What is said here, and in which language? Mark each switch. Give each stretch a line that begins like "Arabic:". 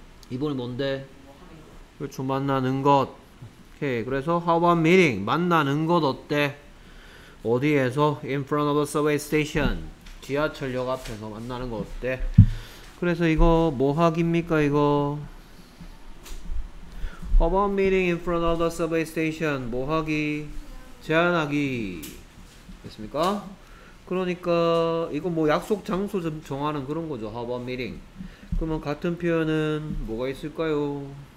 Korean: 2번이 뭔데? 그렇죠. 만나는 것. 오케이. 그래서
English: how about meeting?
Korean: 만나는 것 어때? 어디에서?
English: In front of a subway station.
Korean: 지하철역 앞에서 만나는 거 어때? 그래서 이거 뭐 하기입니까 이거?
English: How about meeting in front of the subway station?
Korean: 뭐 하기? 제안하기. 됐습니까? 그러니까 이거 뭐 약속 장소 좀 정하는 그런 거죠.
English: How about meeting?
Korean: 그러면 같은 표현은 뭐가 있을까요?